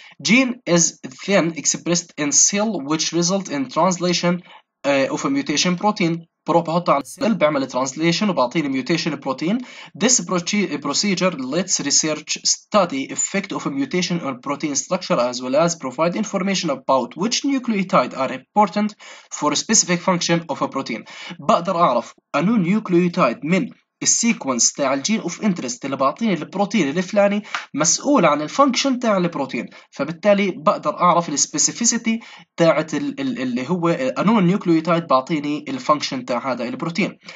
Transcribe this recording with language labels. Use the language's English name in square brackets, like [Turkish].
[English] Gene is then expressed in cell which result in translation of a mutation protein. [Arabic] بروح بحطه على السيل بعمل ترانسليشن وبعطيني ميوتيشن بروتين. [English] This procedure lets research study effect of a mutation on protein structure as well as provide information about which nucleotide are important for a specific function of a protein. [Arabic] بقدر أعرف أنو nucleotide من السيكونس تاع الجين اوف انترست اللي بعطيني البروتين الفلاني مسؤول عن الفانكشن تاع البروتين، فبالتالي بقدر اعرف السبيسيفيسيتي تاعت اللي هو انو النيوكليوتايد بعطيني الفانكشن تاع هذا البروتين.